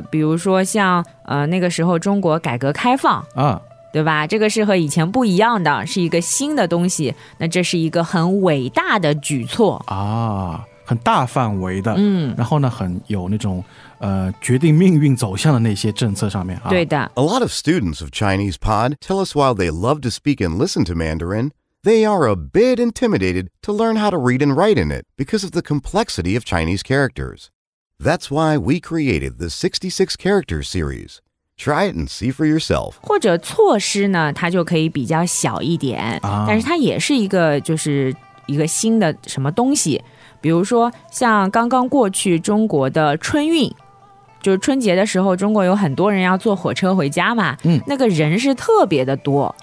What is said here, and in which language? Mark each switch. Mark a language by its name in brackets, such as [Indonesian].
[Chinese] 比如说像那个时候中国改革开放啊，对吧，这个是和以前不一样的，是一个新的东西，那这是一个很伟大的举措啊，很大范围的。嗯，然后呢很有那种决定命运走向的那些政策上面啊。对的。 [English] A lot of students of Chinese Pod tell us while they love to speak and listen to Mandarin, they are a bit intimidated to learn how to read and write in it because of the complexity of Chinese characters. That's why we created the 66 character series. Try it and see for yourself. [Chinese] 或者措施呢，它就可以比较小一点，但是它也是一个就是一个新的什么东西。比如说像刚刚过去中国的春运，就是春节的时候中国有很多人要坐火车回家嘛，嗯，那个人是特别的多，